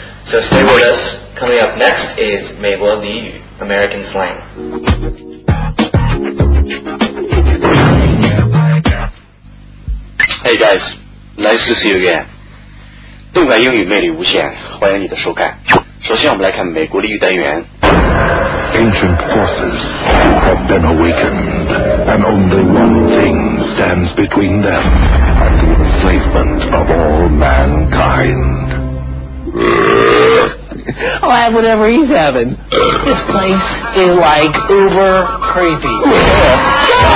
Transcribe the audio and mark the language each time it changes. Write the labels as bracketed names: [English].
[English] So stay with us. Coming up next is Meiguo Li Yu, American Slang. Hey guys, nice to see you again. [Chinese] 动感英语魅力无限，欢迎你的收看。首先我们来看美国俚语单元。 [English] Ancient forces have been awakened, and only one thing stands between them and the enslavement of all mankind. I'll have whatever he's having. This place is like uber creepy.